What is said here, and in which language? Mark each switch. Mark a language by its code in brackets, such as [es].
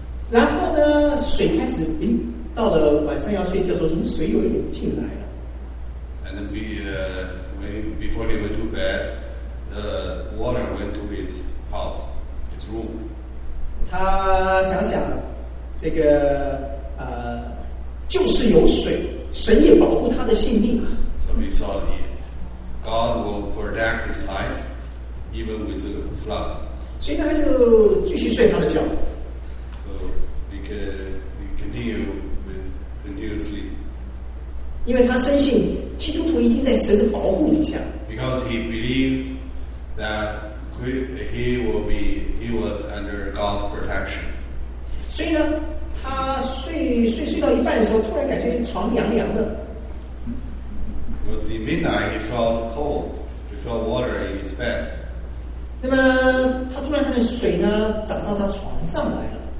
[zh] 然后呢，水开始诶，到了晚上要睡觉的时候，什么水有一点进来了。 [en] And then before they went to bed, the water went to his house, his room. [zh] 他想想，这个就是有水，神也保护他的性命。 [en] So he saw that God will protect his life, even with the flood. [zh] 所以他就继续睡他的觉。 [en] So we continue with continue sleep. [zh] 因为他深信基督徒一定在神的保护底下。 [en] Because he believed that he was under God's protection. [zh] 所以呢，他睡到一半的时候，突然感觉床凉凉的。 [en] Was in midnight, he felt cold. He felt water in his bed. [zh] 那么他突然看见水呢涨到他床上来了